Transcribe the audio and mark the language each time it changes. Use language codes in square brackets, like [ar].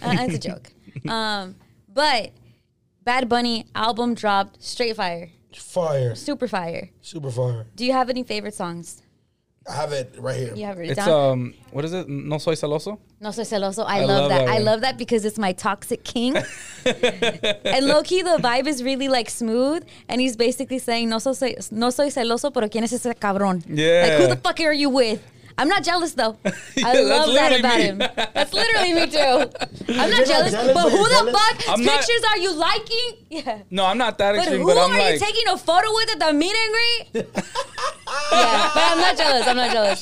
[en] It's a joke. But Bad Bunny album dropped, straight fire. Fire. Super fire. Super fire. Do you have any favorite songs? I have it right here. You have it. It's down? What is it? No Soy Celoso? No Soy Celoso. I love that. I love that because it's my toxic king. And low-key, the vibe is really, like, smooth. And he's basically saying, [es] no soy celoso, pero ¿quién es ese cabrón? [en] Yeah. Like, who the fuck are you with? I'm not jealous, though. I love that about him. That's literally me, too. I'm not jealous, but who the fuck pictures are you liking? Yeah. No, I'm not that extreme, but who are you taking a photo with at the meet and greet? Yeah, but I'm not jealous.